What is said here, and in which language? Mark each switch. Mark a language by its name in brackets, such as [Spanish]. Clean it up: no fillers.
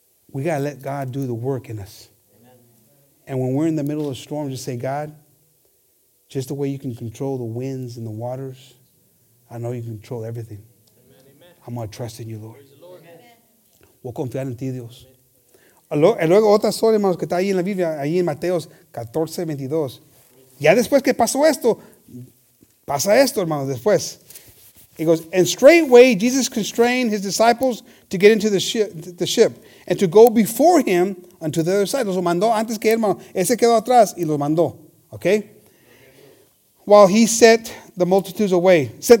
[English] We got to let God do the work in us. Amen. And when we're in the middle of a storm, just say, God, just the way you can control the winds and the waters, I know you can control everything. Amen. I'm going to trust in you, Lord. [Spanish] Voy a confiar en ti, Dios. Y luego otra historia, hermanos, que está ahí en la Biblia, ahí en Mateos 14:22. Ya después que pasa esto, hermanos, después. [English] He goes, and straightway Jesus constrained his disciples to get into the ship and to go before him unto the other side. [Spanish] Los mandó antes que él, hermano. Ese quedó atrás y los mandó. Okay? [English] While he sent the multitudes away.